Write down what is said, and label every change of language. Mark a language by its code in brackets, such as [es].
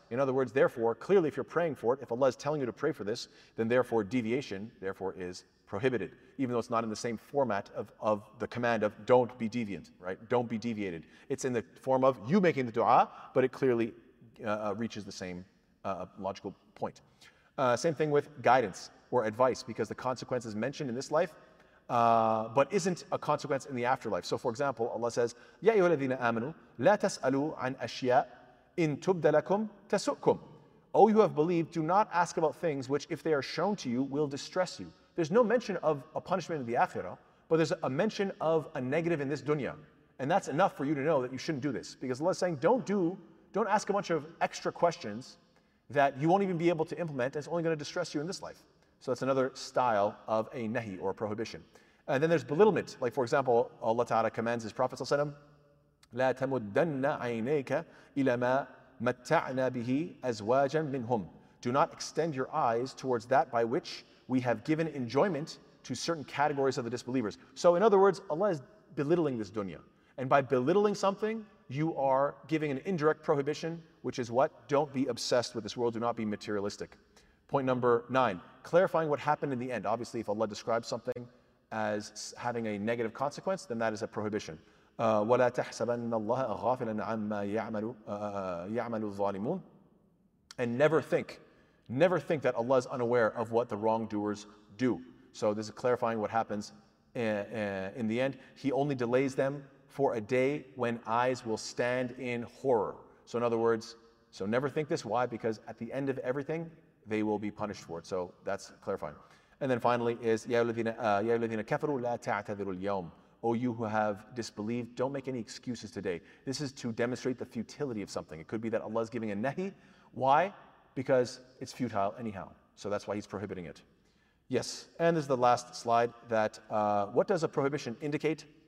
[en] In other words, therefore, clearly if you're praying for it, if Allah is telling you to pray for this, then therefore deviation, therefore, is prohibited, even though it's not in the same format of the command of don't be deviant, right? Don't be deviated. It's in the form of you making the dua, but it clearly reaches the same a logical point. Same thing with guidance or advice, because the consequence is mentioned in this life, but isn't a consequence in the afterlife. So for example, Allah says, [ar] يَا أَيُّهَا الَّذِينَ آمَنُوا لَا تَسْأَلُوا عَنْ أَشْيَاءَ إِن تُبْدَ لَكُمْ تَسُؤْكُمْ. [en] O you have believed, do not ask about things which, if they are shown to you, will distress you. There's no mention of a punishment in the akhirah, but there's a mention of a negative in this dunya. And that's enough for you to know that you shouldn't do this. Because Allah is saying, don't ask a bunch of extra questions that you won't even be able to implement, and it's only going to distress you in this life. So that's another style of a nahi or a prohibition. And then there's belittlement. Like for example, Allah Ta'ala commands His Prophet [ar] صلى الله عليه وسلم, لا تمدن عينيك إلى ما متعنا به أزواجا منهم. [en] Do not extend your eyes towards that by which we have given enjoyment to certain categories of the disbelievers. So in other words, Allah is belittling this dunya. And by belittling something, you are giving an indirect prohibition, which is what? Don't be obsessed with this world. Do not be materialistic. Point number 9, clarifying what happened in the end. Obviously, if Allah describes something as having a negative consequence, then that is a prohibition. [ar] وَلَا تَحْسَبَنَّ اللَّهَ غَافِلًا عَمَّا يَعْمَلُ الظَّالِمُونَ. [en] And never think that Allah is unaware of what the wrongdoers do. So this is clarifying what happens in the end. He only delays them for a day when eyes will stand in horror. So in other words, so never think this. Why? Because at the end of everything, they will be punished for it. So that's clarifying. And then finally is, [ar] يَا الَّذِينَ كَفَرُوا لَا تَعْتَذِرُوا الْيَوْمِ. [en] O you who have disbelieved, don't make any excuses today. This is to demonstrate the futility of something. It could be that Allah is giving a nahi. Why? Because it's futile anyhow. So that's why He's prohibiting it. Yes, and this is the last slide, that what does a prohibition indicate?